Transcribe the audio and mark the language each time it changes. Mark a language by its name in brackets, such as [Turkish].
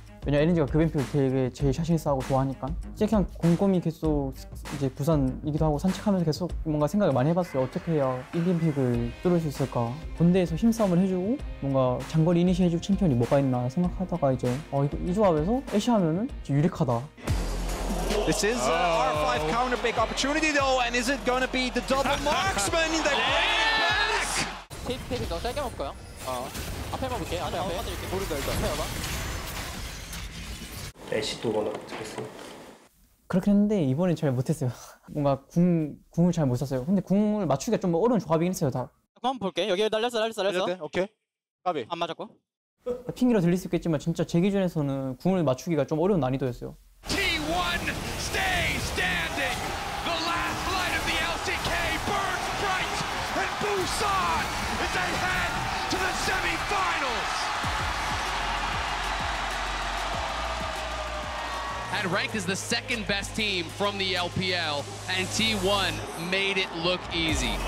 [Korean] 왜냐면 LNG가 그 뱀픽을 되게 제일 자신있어 하고 좋아하니까 진짜 그냥 곰곰이 계속 이제 부산이기도 하고 산책하면서 계속 뭔가 생각을 많이 해봤어요. 어떻게 해야 1뱀픽을 뚫을 수 있을까. 본대에서 힘싸움을 해주고 뭔가 장거리 이니시해주고 챔피언이 뭐가 있나 생각하다가 이제 이 조합에서 애쉬 하면은 유력하다. [English] This is R5 counter pick opportunity though, and is it gonna be the double marksman in the game? [Korean] 테이프 너 짧게 먹을까요? 앞에만 볼게. 앞에. 모른다 일단. 앞에 봐봐. 애쉬도 워낙 못했어요. 그렇긴 했는데 이번엔 잘 못했어요. 뭔가 궁을 잘 못 썼어요. 근데 궁을 맞추기가 좀 어려운 조합이긴 했어요. 다 한번 볼게. 여기 날렸어. 오케이. 까비 안 맞았고. 핑기로 들릴 수 있겠지만 진짜 제 기준에서는 궁을 맞추기가 좀 어려운 난이도였어요. [English] T1 stay standing. The last light of the LCK burns bright and Busan is ahead to the semi-finals. And ranked as the second best team from the LPL, and T1 made it look easy.